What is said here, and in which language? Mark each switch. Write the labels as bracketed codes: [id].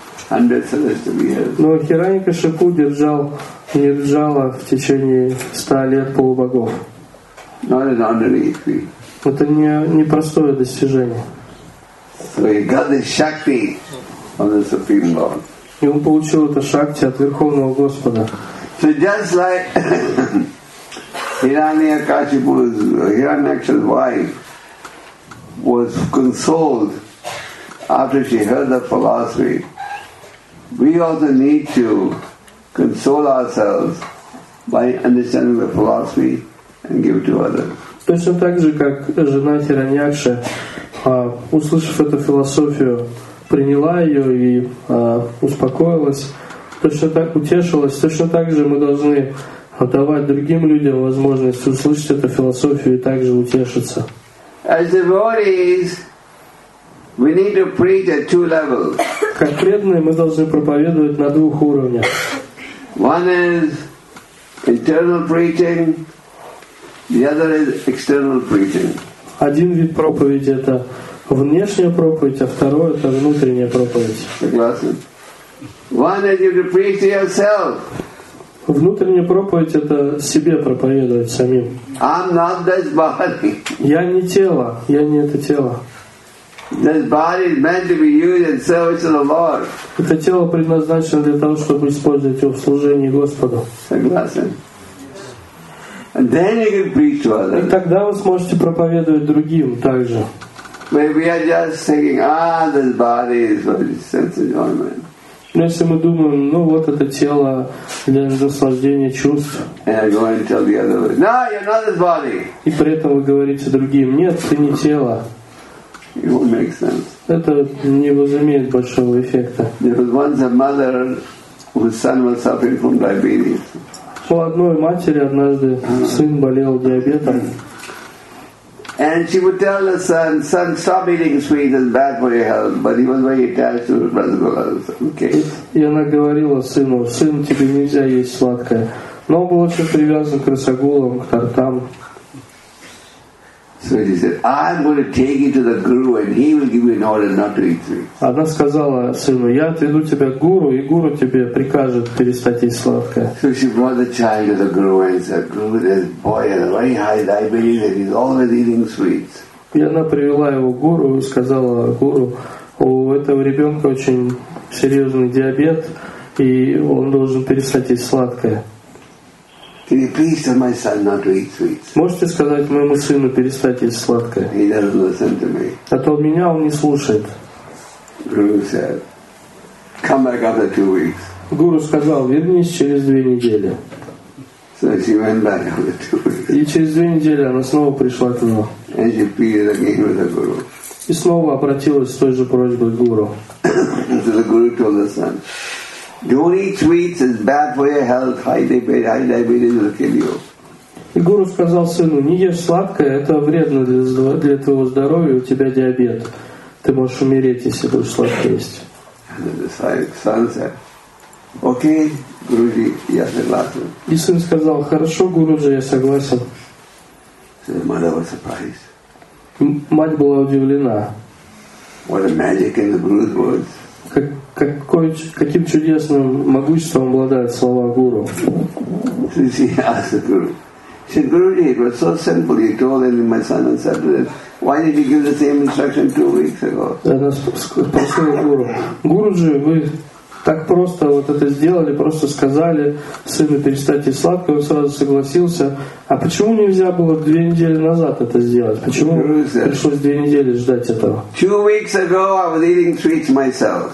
[ru] Но Хирани Кашипу держал нирджала в течение 100 лет полубогов. [en] Not an ordinary feat. [ru] Это не простое достижение. [en] So he got the shakti of the Supreme Lord. [ru] И он получил это шакти от Верховного Господа. [en] So just like Hiranyakashipu's wife was consoled after she heard the philosophy, we also need to console ourselves by understanding the philosophy and give it to others. [ru] Точно так же, как жена Хираньякши, услышав эту философию, приняла ее и успокоилась, точно так утешилась, точно так же мы должны давать другим людям возможность услышать эту философию и также утешиться. [en] As devotees, we need to preach at two levels. [ru] Как преданные, мы должны проповедовать на двух уровнях. [en] One is internal preaching, the other is external preaching. [ru] Один вид проповеди — это внешняя проповедь, а второй — это внутренняя проповедь. Согласен? [en] One is you to preach to yourself. [ru] Внутренняя проповедь — это себе проповедовать самим. [en] I'm not this body. [ru] Я не тело, я не это тело. [en] This body is meant to be used in service to the Lord. [ru] Это тело предназначено для того, чтобы использовать его в служении Господу. Согласен. [en] And then you can preach to others. [ru] И тогда вы сможете проповедовать другим также. [en] But we are just thinking, ah, this body is for sense enjoyment. [ru] Но если мы думаем, ну вот это тело для наслаждения чувств. И при этом вы говорите другим, нет, ты не тело. [en] It won't make sense. [ru] Это не возымеет большого эффекта. [en] There was once a mother whose son was suffering from diabetes. [ru] У одной матери однажды сын болел диабетом. [en] And And she would tell her son, "Son, stop eating sweets, it's bad for your health." But he was very attached to his brother. Okay. [ru] И она говорила сыну: "Сын, тебе нельзя есть сладкое." Но он был очень привязан к рассагулам, к тартам. [en] So she said, "I'm going to take you to the guru, and he will give you an order not to eat sweets." [ru] Она сказала сыну: "Я отведу тебя к гуру, и гуру тебе прикажет перестать есть сладкое." [en] So she brought the child to the guru and said, "Guru, this boy has very high diabetes, and he's always eating sweets." [ru] И она привела его к гуру и сказала: "Гуру, у этого ребенка очень серьезный диабет, и он должен перестать есть сладкое." [en] Can you please tell my son not to eat sweets? [ru] Можете сказать моему сыну перестать есть сладкое? [en] He doesn't listen to me. [ru] А то меня он не слушает. [en] Guru said, "Come back after 2 weeks." [ru] Гуру сказал: "Вернись через 2 недели." [en] So she went back after 2 weeks. [ru] И через 2 недели она снова пришла к нему. [en] And she pleaded again with the guru. [ru] И снова обратилась с той же просьбой к гуру. [en] So the guru told the son, "Don't eat sweets, it's bad for your health. High diabetes will kill you." [ru] И гуру сказал сыну: "Не ешь сладкое, это вредно для твоего здоровья, у тебя диабет. Ты можешь умереть, если будешь сладко есть." [en] And the son said, "Okay, Guruji, [ru] я согласен." И сын сказал: "Хорошо, Гуруджи, я согласен." [en] So the mother was surprised. [ru] Мать была удивлена. [en] What a magic in the guru's words. [ru] Каким чудесным могуществом обладают слова гуру. [en] So she asked the guru, she said, "Guruji, it was so simple. You told him my son and said that. Why did you give the same instruction 2 weeks ago?" [ru] Она спросила гуру: "Гуруджи, вы так просто вот это сделали, просто сказали сыну перестать есть сладкое, он сразу согласился. А почему нельзя было 2 недели назад это сделать? Почему пришлось 2 недели ждать этого?" [en] "Two weeks ago I was eating sweets myself."